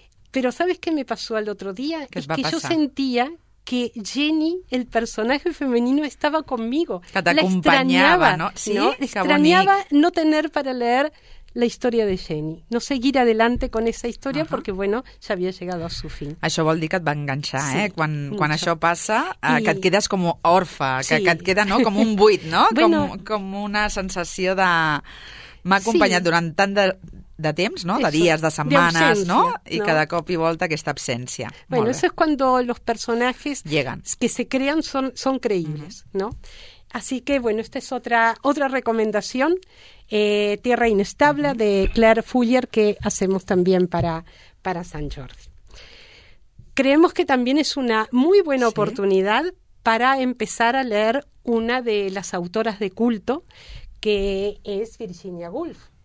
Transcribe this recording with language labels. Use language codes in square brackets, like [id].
[es] Pero ¿sabes qué me pasó al otro día? Es que yo sentía que Jenny, el personaje femenino, estaba conmigo. [ca] Que t'acompanyava, ¿no? Sí, [es] ¿no? Extrañaba no tener para leer la historia de Jenny, no seguir adelante con esa historia, uh-huh, porque bueno, ya había llegado a su fin. [ca] Això vol dir que et va enganxar, sí, quan això passa, que et quedes com orfa, que et queda, no, com un buit, no? [es] Bueno, [ca] com una sensació de m'ha acompanyat, sí, durant tant de temps, no? De [es] eso, [ca] dies, de setmanes, de no? I no? Cada cop i volta aquesta absència. [es] Bueno, eso es cuando los personajes llegan, que se crean son creíbles, uh-huh, ¿no? Así que, bueno, esta es otra recomendación, Tierra Inestable, uh-huh, de Claire Fuller, que hacemos también para San Jordi. Creemos que también es una muy buena, ¿sí?, oportunidad para empezar a leer una de las autoras de culto, que es Virginia Woolf.